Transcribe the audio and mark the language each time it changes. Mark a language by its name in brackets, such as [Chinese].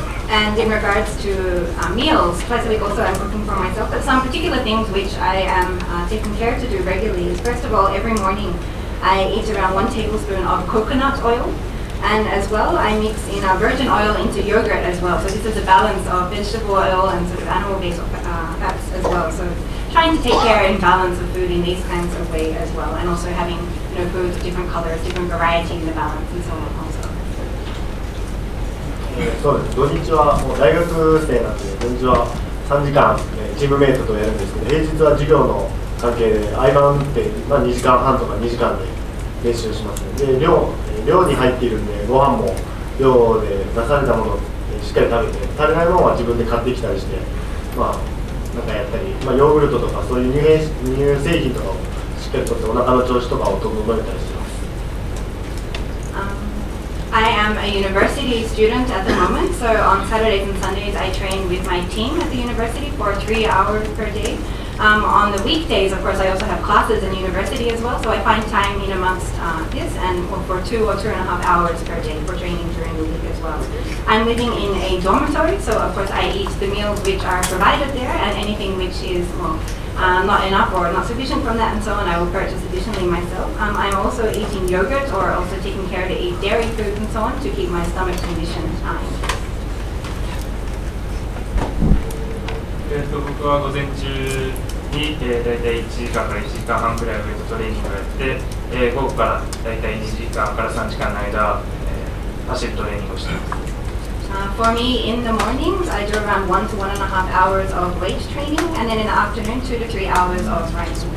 [English] And in regards to meals, twice a week also I'm cooking for myself, but some particular things which I am taking care to do regularly is, first of all, every morning I eat around 1 tablespoon of coconut oil, and as well I mix in virgin oil into yogurt as well, so this is a balance of vegetable oil and sort of animal-based fats as well. So,trying to take care and balance of food in these kinds of way as well, and also having, you know, foods of different colors, different variety in the balance and so on also. [Japanese] そうです。土日はもう大学生なんで、土日は3時間、チームメイトとやるんですけど、平日は授業の関係で合間って、まあ、2時間半とか2時間で練習します。で寮に入っているんで、ご飯も寮で出されたものをしっかり食べて、足りないものは自分で買ってきたりして、まあやったり、まあ、ヨーグルトとかそういう乳製品とかをしっかりとってお腹の調子とかを整えたりします。 [English] I am a university student at the moment, so on Saturdays and Sundays I train with my team at the university for 3 hours per day. On the weekdays, of course, I also have classes in university as well, so I find time in amongst this and for 2 or 2.5 hours per day for training during the week as well. I'm living in a dormitory, so of course I eat the meals which are provided there, and anything which is not enough or not sufficient from that and so on, I will purchase additionally myself. I'm also eating yogurt or also taking care to eat dairy food and so on to keep my stomach condition in place. [Japanese] 僕は午前中に、大体1時間から1時間半くらいウェイトトレーニングをやって、午後から大体2時間から3時間の間、走るトレーニングをしています。 [English] For me, in the mornings, I do around 1 to 1.5 hours of weight training, and then in the afternoon, 2 to 3 hours of running.